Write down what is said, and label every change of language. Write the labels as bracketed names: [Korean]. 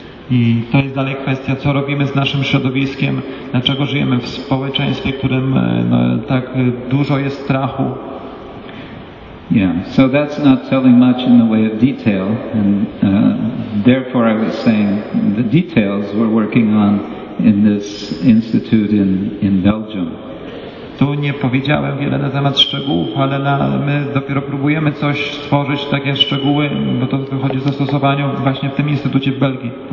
[Polish] I to jest dalej kwestia, co robimy z naszym środowiskiem, dlaczego żyjemy w społeczeństwie, w którym no, tak dużo jest strachu. [English] Yeah, so that's not telling much in the way of detail, and therefore I was saying the details we're working on in this institute in Belgium. [Polish] Tu nie powiedziałem wiele na temat szczegółów, ale my dopiero próbujemy coś stworzyć, takie szczegóły, bo to wychodzi z zastosowania właśnie w tym instytucie w Belgii.